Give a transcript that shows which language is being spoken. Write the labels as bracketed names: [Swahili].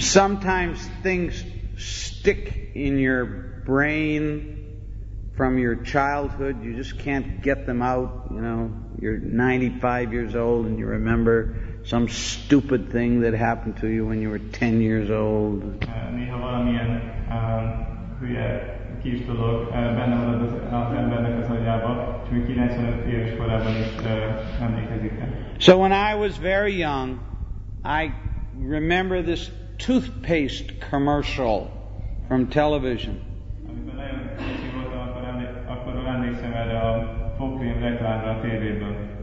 [English] Sometimes things stick in your brain from your childhood. You just can't get them out, you know. You're 95 years old and you remember some stupid thing that happened to you when you were 10 years old. [Hungarian] Néha valamilyen hülye kis dolog benne van az embernek az agyába, és még 95 éves korában is emlékezik rá. [English] So when I was very young, I remember this toothpaste commercial from television. [Hungarian] Amikor nagyon kicsi voltam, akkor emlékszem erre a fogkrém reklámra a tévéből.